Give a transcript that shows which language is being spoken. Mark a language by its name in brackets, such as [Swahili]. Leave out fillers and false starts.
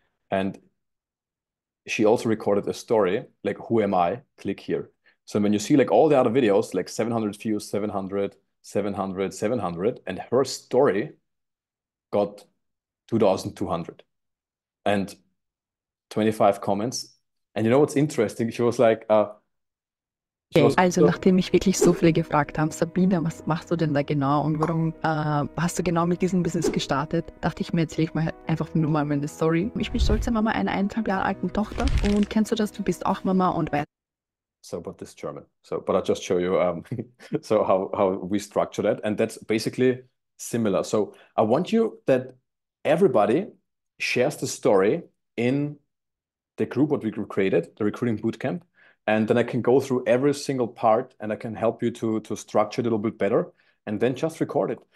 [English] And she also recorded a story like, "Who am I?" Click here. So when you see like all the other videos, like 700 views, 700, 700, 700, and her story got 2,200 and 25 comments. And you know what's interesting? She was like, she [German] Okay, was also so. nachdem mich wirklich so viele gefragt haben, Sabine, was machst du denn da genau und warum hast du genau mit diesem Business gestartet, dachte ich mir, erzähle ich mal einfach nur mal meine Story. Ich bin stolze Mama einer 1,5 Jahre alten Tochter und kennst du das, du bist auch Mama und weißt. [English] So about this German. So, but I'll just show you so how we structure that. And that's basically similar. So I want you that everybody shares the story in the group what we created, the recruiting bootcamp. And then I can go through every single part and I can help you to structure it a little bit better. And then just record it.